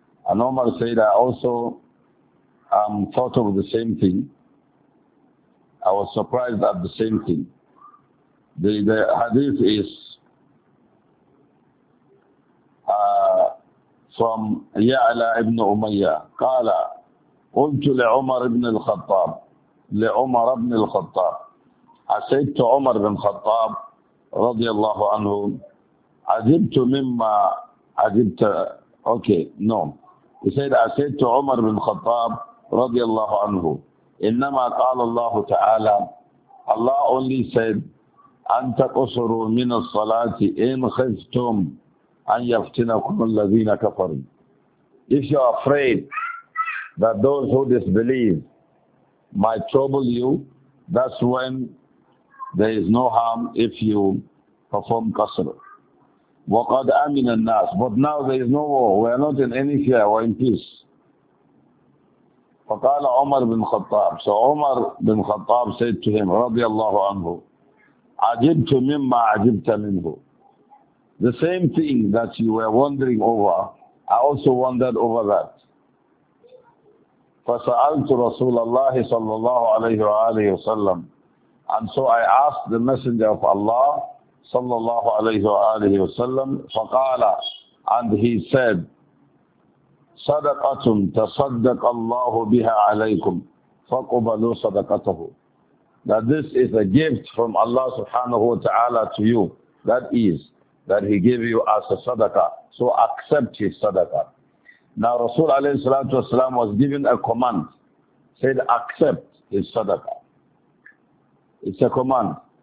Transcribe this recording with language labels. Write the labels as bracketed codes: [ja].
[en] And Umar said, I also thought of the same thing. I was surprised at the same thing. The hadith is from Ya'la ibn Umayyah. Qala, [ar] قلت لعمر بن الخطاب، لعمر بن الخطاب، عسيت عمر بن الخطاب رضي الله عنه، عجبت مما عجبت. اوكي نعم. يسير عسيت عمر بن الخطاب رضي الله عنه، انما قال الله تعالى، الله [en] only said [ar] ان تقصروا من الصلاة ان خفتم ان يفتنكم الذين كفروا. [en] If you are afraid that those who disbelieve might trouble you, that's when there is no harm if you perform qasr. [ar] وَقَدْ أَمِنَ النَّاسِ. [en] But now there is no war. We are not in any fear. We are in peace. [ar] فَقَالَ عُمَرْ بِنْ خَطَّابِ. [en] So Umar bin Khattab said to him, رضي الله عنه, [ar] عَجِبْتُ مِمَّا عَجِبْتَ مِنْهُ. [en] The same thing that you were wondering over, I also wondered over that. [ar] فَسَأَلْتُ رَسُولَ اللَّهِ صَلَّى اللَّهُ عَلَيْهُ وَآلِهِ وَسَلَّمُ. [en] And so I asked the Messenger of Allah, [ar] صلى الله عليه وآله وسلم, فقال, [en] and he said, [ar] صدقة تصدق الله بها عليكم فقبلوا صدقته. [en] That this is a gift from Allah subhanahu wa ta'ala to you. That is, that he gave you as a sadaqah. So accept his sadaqah. Now Rasul alayhi salatu wasalam was given a command. Said, accept his sadaqah. It's a command.